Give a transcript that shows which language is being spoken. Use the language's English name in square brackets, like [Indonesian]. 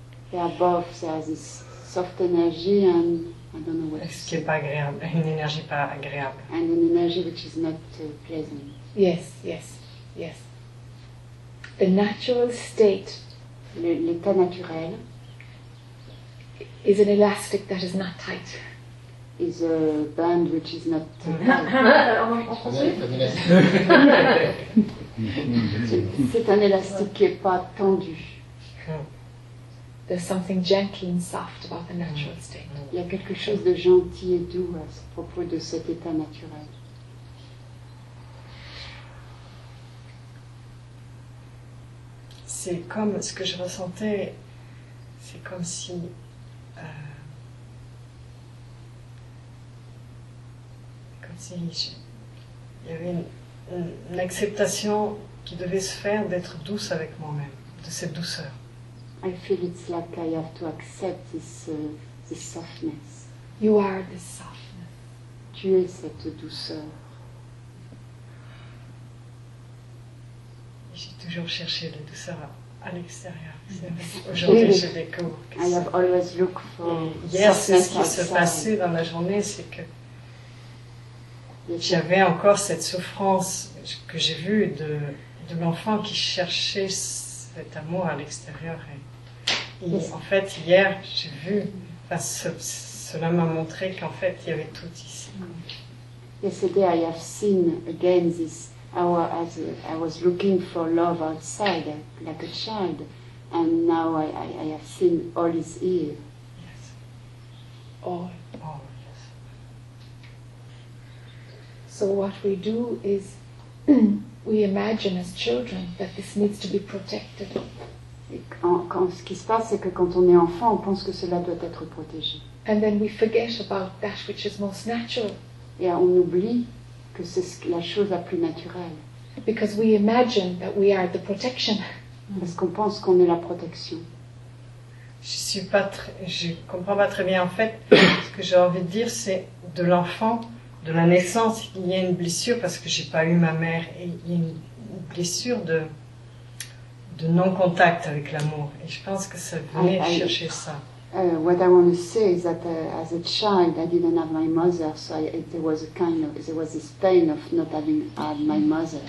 [English] They are both, there is this soft energy and I don't know what it is. [French] Ce qui n'est pas agréable, une énergie pas agréable. [English] And an energy which is not pleasant. Yes, yes, yes. The natural state, [French] l'état naturel, [English] is an elastic that is not tight. Is a band which is not tight. [French] En français? C'est un élastique qui n'est pas tendu. [English] There's something gentle and soft about the natural state. [French] Il y a quelque chose de gentil et doux à ce propos de cet état naturel. C'est comme ce que je ressentais, c'est comme si il y avait une acceptation qui devait se faire d'être douce avec moi-même, de cette douceur. [English] I feel it's like I have to accept this this softness. You are the softness. [French] Tu es cette douceur. J'ai toujours cherché la douceur à l'extérieur. Aujourd'hui, je découvre. [English] I have always looked for [French] hier, c'est ce qui se passait dans la journée, c'est que j'avais encore cette souffrance que j'ai vue de l'enfant qui cherchait cet amour à l'extérieur. Et en fait, hier, j'ai vu, cela m'a montré qu'en fait, il y avait tout ici. [English] Yesterday, I have seen again this hour as I was looking for love outside, like a child, and now I have seen all is here. Yes. All, yes. So what we do is, we imagine as children that this needs to be protected. [French] Quand ce qui se passe, c'est que quand on est enfant, on pense que cela doit être protégé. [English] And then we forget about that which is most natural. [French] Et on oublie que c'est la chose la plus naturelle. [English] Because we imagine that we are the protection. [French] Parce qu'on pense qu'on est la protection. Je comprends pas très bien en fait. Ce que j'ai envie de dire, c'est de l'enfant, de la naissance, il y a une blessure parce que j'ai pas eu ma mère. Et il y a une blessure de non-contact avec l'amour. Et je pense que ça venait chercher ça. [English] What I want to say is that as a child, I didn't have my mother, so there was this pain of not having had my mother.